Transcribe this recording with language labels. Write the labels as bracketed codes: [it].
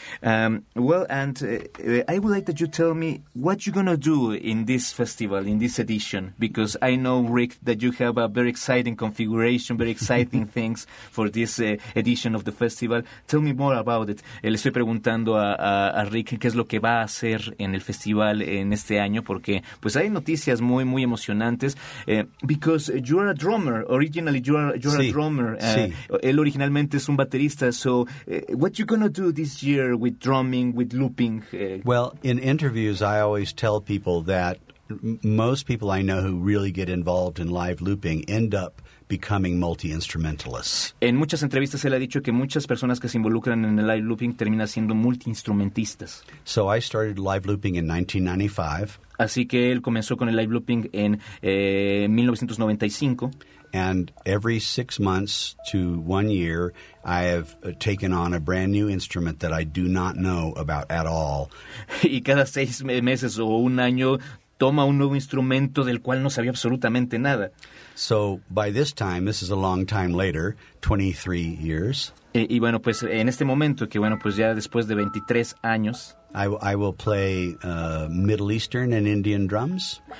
[en] I would like that you tell me what you're going to do in this festival, in this edition, because I know, Rick, that you have a very exciting configuration, very exciting things for this edition of the festival. Tell me more about it. [es] Le estoy preguntando a Rick qué es lo que va a hacer en el festival en este año, porque pues hay noticias muy, muy emocionantes. [en] Because you are a drummer. Originally, you are [es] sí, [en] a drummer. [es] Sí. El original es un baterista. [en] So what you gonna do this year with drumming, with looping? Well, in interviews I always tell people that most people I know who really get involved in live looping end up becoming multi-instrumentalists. [es] En muchas entrevistas él ha dicho que muchas personas que se involucran en el live looping terminan siendo multi-instrumentistas. [en] So I started live looping in 1995. [es] Así que él comenzó con el live looping en 1995. [en] And every 6 months to 1 year, I have taken on a brand new instrument that I do not know about at all. [es] Y cada seis meses o un año toma un nuevo instrumento del cual no sabía absolutamente nada. [en] So by this time, this is a long time later, 23 years. [es] Y bueno, pues en este momento, que bueno, pues ya después de 23 años... [en] I will play Middle Eastern and Indian drums.